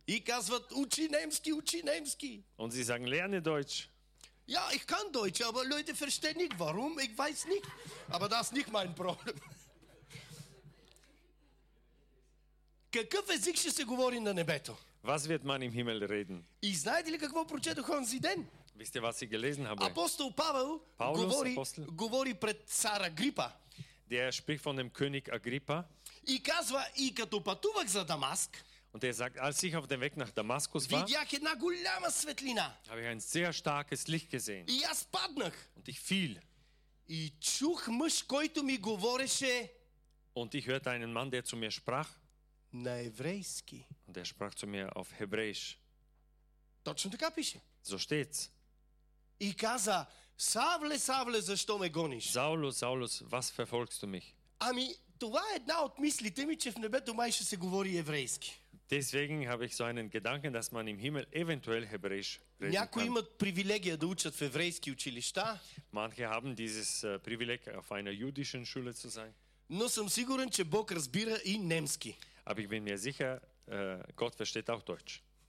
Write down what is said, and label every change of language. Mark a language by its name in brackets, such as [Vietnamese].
[Bulgarian] И казват, учи немски, учи немски. [German] Und sie sagen, lerne Deutsch. Ja, ich kann Deutsch, aber Leute verstehen nicht, warum, ich weiß nicht. Aber das ist nicht mein Problem. [Bulgarian] Какъв език ще се говори на небето? [German] Was wird man im Himmel reden? [Bulgarian] И знаете ли какво прочетох онзи ден? [German] Wisst ihr, was ich gelesen habe? [Bulgarian] Апостол Павел говори пред цар Агрипа. [German] Der spricht von dem König Agrippa. [Bulgarian] И казва, и като пътувах за Дамаск, [German] und er sagt, als ich auf dem Weg nach Damaskus war, [Bulgarian] видях една голяма светлина, [German] habe ich ein sehr starkes Licht gesehen. [Bulgarian] И аз паднах, [German] und ich fiel. [Bulgarian] И чух мъж, който ми говореше, [German] und ich hörte einen Mann, der zu mir sprach, [Bulgarian] на еврейски. [German] Und er sprach zu mir auf Hebräisch. [Bulgarian] Точно така пише. [German] So steht's. [Bulgarian] И каза, Савле, Савле, защо ме гониш? [German] Saulus, Saulus, was verfolgst du mich? [Bulgarian] Ами, това е една от мислите ми, че в небето май ще се говори еврейски. [German] Deswegen habe ich so einen Gedanken, dass man im Himmel eventuell Hebräisch reden kann. [Bulgarian] Някои имат привилегия да учат в еврейски училища. [German] Manche haben dieses Privileg, auf einer jüdischen Schule zu sein. [Bulgarian] Но съм сигурен, че Бог разбира и немски. [German] Aber ich bin mir sicher, Gott versteht auch Deutsch.